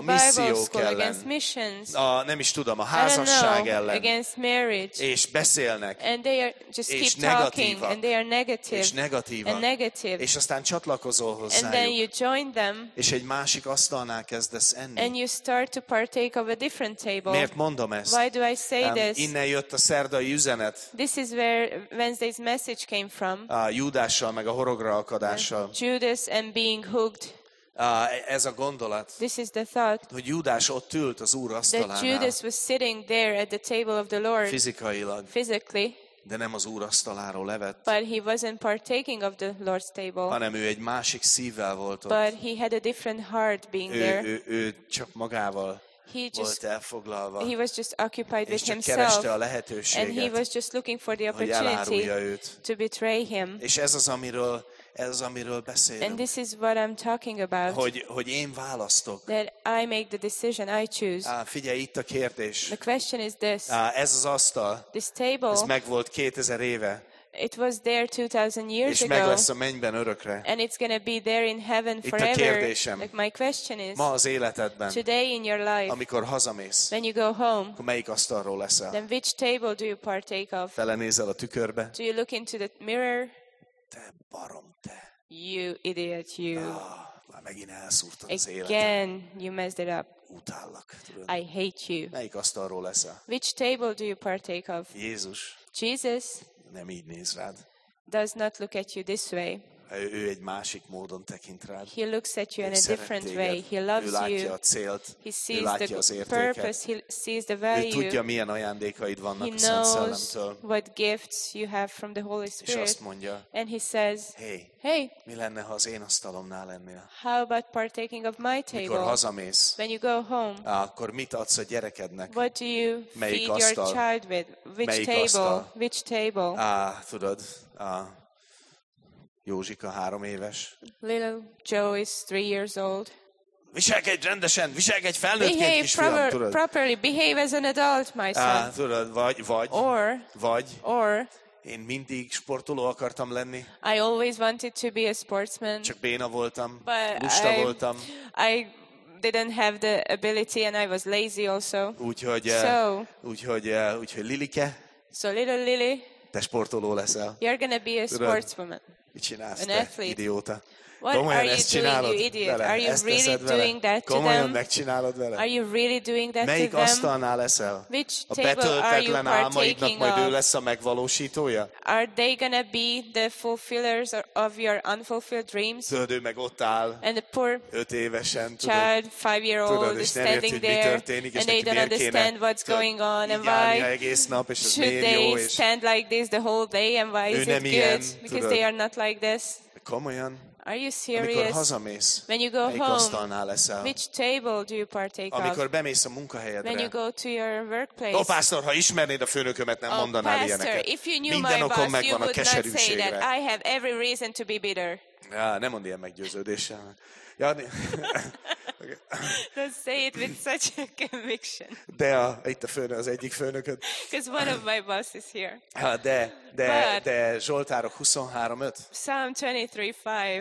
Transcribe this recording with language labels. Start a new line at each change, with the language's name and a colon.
Hungarian: a missziók
English: school,
Hungarian: ellen.
English: Against missions.
Hungarian: A, nem is tudom, a házasság
English: I don't know,
Hungarian: ellen.
English: Against marriage.
Hungarian: És beszélnek.
English: And they are just
Hungarian: és
English: keep
Hungarian: negatívak.
English: Talking, and they are negative,
Hungarian: és negatívak.
English: And negative.
Hungarian: És aztán csatlakozol hozzájuk.
English: And then you join them,
Hungarian: és egy másik asztalnál kezdesz enni.
English: And you start to partake of a different table.
Hungarian: Miért mondom ezt?
English: Why do I say this?
Hungarian: Innen jött a szerdai üzenet.
English: This is where Wednesday this message came from.
Hungarian: Júdással meg a horogra akadással.
English: Judas and being hooked.
Hungarian: Ez a gondolat.
English: This is the thought.
Hungarian: Hogy Júdás ott ült az Úr asztalánál.
English: That Judas was sitting there at the table of the Lord.
Hungarian: Fizikailag.
English: Physically.
Hungarian: De nem az Úr asztaláról levett.
English: But he wasn't partaking of the Lord's table.
Hungarian: Hanem ő egy másik szívvel volt ott.
English: But he had a different heart being
Hungarian: ő,
English: there.
Hungarian: Ő csak magával.
English: He just,
Hungarian: volt elfoglalva.
English: He was just occupied with himself.
Hungarian: És csak kereste a lehetőséget.
English: And he was just looking for the opportunity to betray him.
Hungarian: És ez az, amiről beszélünk.
English: And this is what I'm talking about.
Hungarian: Hogy én választok.
English: That I make the decision, I choose.
Hungarian: Figyelj, itt a kérdés.
English: The question is this.
Hungarian: Ez az asztal.
English: This table.
Hungarian: Ez megvolt 2000 éve.
English: It was there 2000 years
Hungarian: ago. És meg lesz a mennyben örökre.
English: And it's going to be there in heaven forever.
Hungarian: Itt a kérdésem.
English: Like my question is.
Hungarian: Ma az életedben.
English: Today in your life.
Hungarian: Amikor hazamész.
English: When you go home.
Hungarian: Akkor melyik asztalról leszel?
English: Then which table do you partake of?
Hungarian: Felenézel a tükörbe.
English: Do you look into the mirror?
Hungarian: Te barom, te.
English: You idiot, you. Ah,
Hungarian: Megint elszúrtad az életet.
English: Again, you messed it up.
Hungarian: Utállak.
English: I hate you.
Hungarian: Melyik asztalról leszel?
English: Which table do you partake of?
Hungarian: Jézus.
English: Jesus.
Hungarian: Nem így néz rád.
English: Does not look at you this way.
Hungarian: Ő egy másik módon tekint rád.
English: He looks at you in a different way. He loves you.
Hungarian: Ő látja a célt.
English: He sees the purpose. He sees the value.
Hungarian: Ő tudja, milyen ajándékaid vannak a Szent Szellemtől.
English: He knows what gifts you have from the Holy Spirit.
Hungarian: És azt mondja.
English: And he says,
Hungarian: hey, mi lenne, ha az én asztalomnál lennél?
English: How about partaking of my table?
Hungarian: Mikor hazamész?
English: When you go home.
Hungarian: Akkor mit adsz a gyerekednek?
English: What do you feed your child with? Which table? Which table?
Hungarian: Tudod. Józsika 3 éves.
English: Little Joe is 3 years old.
Hungarian: Viselkedj rendesen, viselkedj felnőttként,
English: behave
Hungarian: kisfiam,
English: proper,
Hungarian: tudod?
English: Properly, behave as an adult, my son.
Hungarian: Tudod, vagy.
English: Or.
Hungarian: Vagy.
English: Or.
Hungarian: Én mindig sportoló akartam lenni.
English: I always wanted to be a sportsman.
Hungarian: Csak béna voltam, lusta voltam.
English: I didn't have the ability and I was lazy also.
Hungarian: Úgyhogy Lilike.
English: So little Lily.
Hungarian: Te sportoló leszel.
English: You're gonna be a sportswoman.
Hungarian: Mit csinálsz,
English: an athlete.
Hungarian: Te idióta?
English: What
Hungarian: komolyan
English: are you
Hungarian: ezt
English: doing,
Hungarian: vele?
English: You idiot? Are you really doing that to
Hungarian: komolyan
English: them?
Hungarian: Megcsinálod vele?
English: Are you really doing that
Hungarian: melyik
English: to them?
Hungarian: Melyik asztalnál leszel?
English: Which table are you partaking of?
Hungarian: Majd ő lesz a megvalósítója?
English: Are they gonna be the fulfillers of your unfulfilled dreams?
Hungarian: Tudod, ő meg ott áll.
English: And the poor
Hungarian: 5 évesen,
English: child, 5-year-old, is standing there. And they don't understand what's going on. And why should they stand like this the whole day? And why is it good? Because they are not like this.
Hungarian: Komolyan.
English: Are you serious?
Hungarian: Amikor hazamész,
English: when you go home, which table do you partake of?
Hungarian: Amikor bemész a munkahelyedre.
English: When you go to your workplace. Oh, pastor,
Hungarian: ha ismernéd a főnökömet, nem mondanál ilyeneket.
English: Oh, pastor, if you knew my boss, you would not say that I have every reason to be bitter.
Hungarian: Ja, nem mondd ilyen meggyőződéssel. Ja,
English: don't say it with such a conviction.
Hungarian: De itt a főnök, az egyik főnököd.
English: Because one of my bosses here.
Hungarian: De Zsoltárok 23:5.
English: Psalm 23:5.